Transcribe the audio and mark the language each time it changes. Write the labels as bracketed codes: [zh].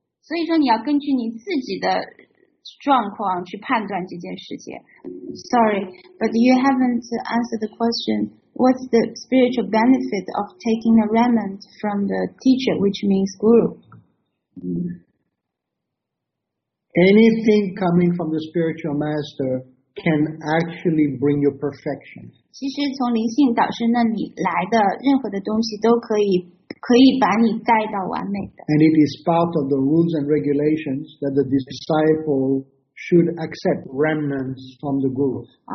[zh] 所以说你要根据你自己的状况去判断这件事情。 [en] Sorry, but you haven't answered the question. What's the spiritual benefit of taking a raiment from the teacher, which means guru? Anything coming from the spiritual master can actually bring you perfection. [zh] 其实从灵性导师那里来的任何的东西都可以把你带到完美的。 [en] And it is part of the rules and regulations that the disciple should accept remnants from the guru.